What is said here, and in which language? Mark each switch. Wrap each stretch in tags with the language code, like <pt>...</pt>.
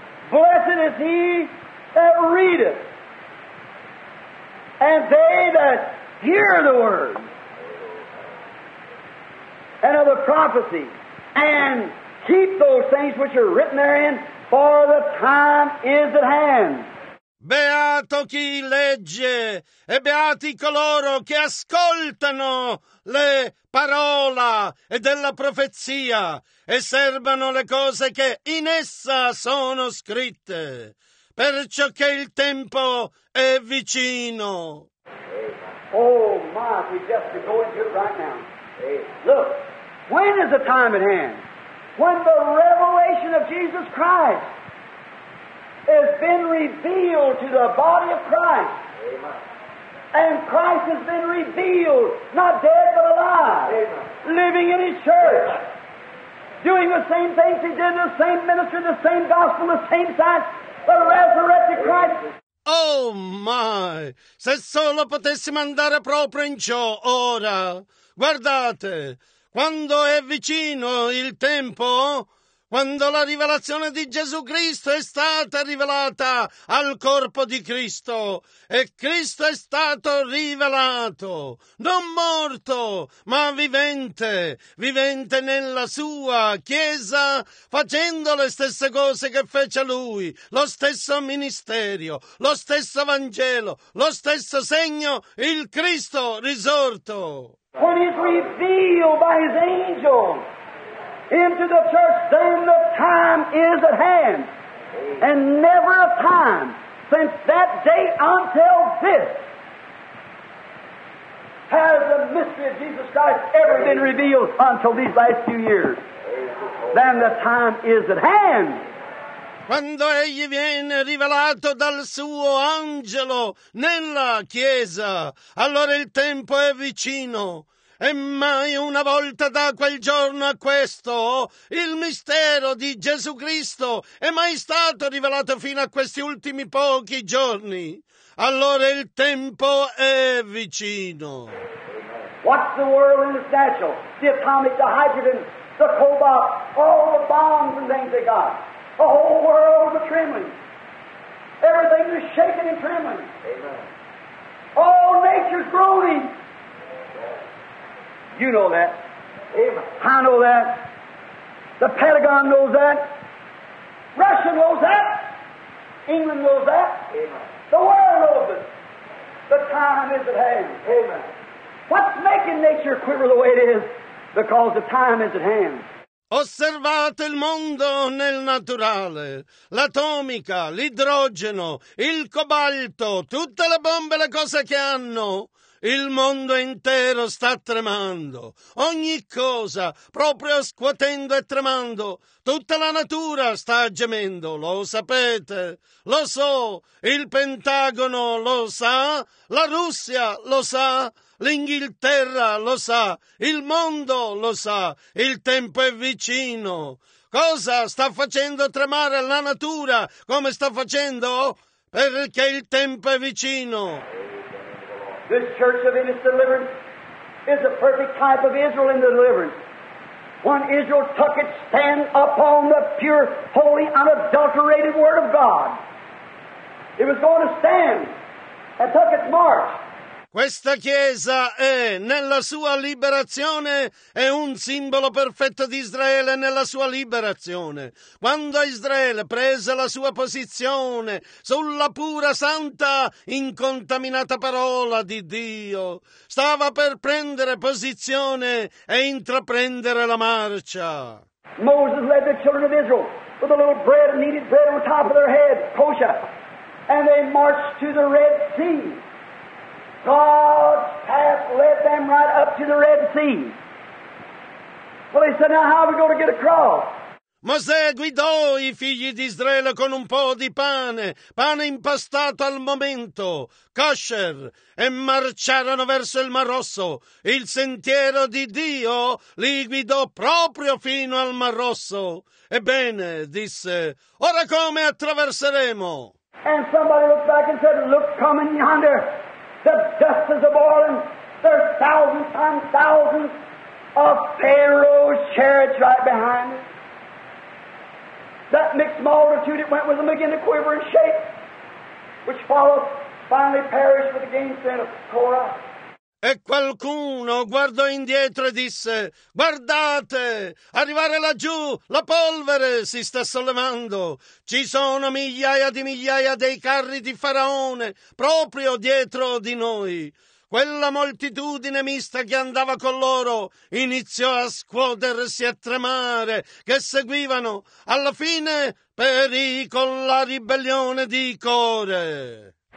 <en>Blessed is he that readeth, and they that hear the word, and of the prophecy, and keep those things which are written therein, for the time is at hand.</en> <it>Beato chi legge e beati coloro che ascoltano le parola e della profezia e serbano le cose che in essa sono scritte, perciò che il tempo è vicino.</it> <en>Oh my, we just to go into it right now. Look, when is the time at hand? When the revelation of Jesus Christ has been revealed to the body of Christ. Amen. And Christ has been revealed, not dead but alive. Amen. Living in his church. Amen. Doing the same things he did, the same ministry, the same gospel, the same signs, the resurrected Christ. Oh my!</en> <it>Se solo potessimo andare proprio in ciò ora. Guardate, quando è vicino il tempo, quando la rivelazione di Gesù Cristo è stata rivelata al corpo di Cristo e Cristo è stato rivelato, non morto, ma vivente, vivente nella sua Chiesa, facendo le stesse cose che fece Lui, lo stesso ministero, lo stesso Vangelo, lo stesso segno, il Cristo risorto.</it> <en>When he's revealed by his angel into the church, then the time is at hand. And never a time since that day until this has the mystery of Jesus Christ ever been revealed until these last few years. Then the time is at hand.</en> <it>Quando egli viene rivelato dal suo angelo nella chiesa, allora il tempo è vicino. E mai una volta da quel giorno a questo, il mistero di Gesù Cristo è mai stato rivelato fino a questi ultimi pochi giorni. Allora il tempo è vicino.</it> <en>Watch the world in its natural, the atomic, the hydrogen, the cobalt, all the bombs and things they got. The whole world is trembling. Everything is shaking and trembling. Amen. All nature's groaning. You know that. Amen. I know that. The Pentagon knows that. Russia knows that. England knows that. Amen. The world knows it. The time is at hand. Amen. What's making nature quiver the way it is? Because the time is at hand.</en> <it>Osservate il mondo nel naturale, l'atomica, l'idrogeno, il cobalto, tutte le bombe, le cose che hanno. Il mondo intero sta tremando, ogni cosa proprio scuotendo e tremando. Tutta la natura sta gemendo, lo sapete, lo so, il Pentagono lo sa, la Russia lo sa. L'Inghilterra lo sa, il mondo lo sa, il tempo è vicino. Cosa sta facendo tremare la natura? Come sta facendo? Perché il tempo è vicino.</it> <en>This church of Israel's deliverance is a perfect type of Israel in the deliverance. When Israel took its stand upon the pure, holy, unadulterated word of God, it was going to stand and took its march.</en> <it>Questa Chiesa è, nella sua liberazione, è un simbolo perfetto di Israele nella sua liberazione. Quando Israele prese la sua posizione sulla pura, santa, incontaminata parola di Dio, stava per prendere posizione e intraprendere la marcia.</it> <en>Moses led the children of Israel with a little bread, a kneaded bread on top of their head, kosher, and they marched to the Red Sea. God's path led them right up to the Red Sea. Well, he said, now how are we going to get across?</en> <it>Mosè guidò i figli di Israele con un po' di pane, pane impastato al momento, kosher, e marciarono verso il Mar Rosso. Il sentiero di Dio li guidò proprio fino al Mar Rosso. Ebbene, disse, ora come attraverseremo?</it> <en>And somebody looked back and said, look, coming yonder. The dust is a-boiling. There's thousands upon thousands of Pharaoh's chariots right behind it. That mixed multitude that went with them began to quiver and shake, which followed, finally perished with the gainsaying of Korah.</en> <it>E qualcuno guardò indietro e disse, guardate, arrivare laggiù, la polvere si sta sollevando. Ci sono migliaia di migliaia dei carri di Faraone proprio dietro di noi. Quella moltitudine mista che andava con loro iniziò a scuotersi e a tremare, che seguivano alla fine perì con la ribellione di Core.</it>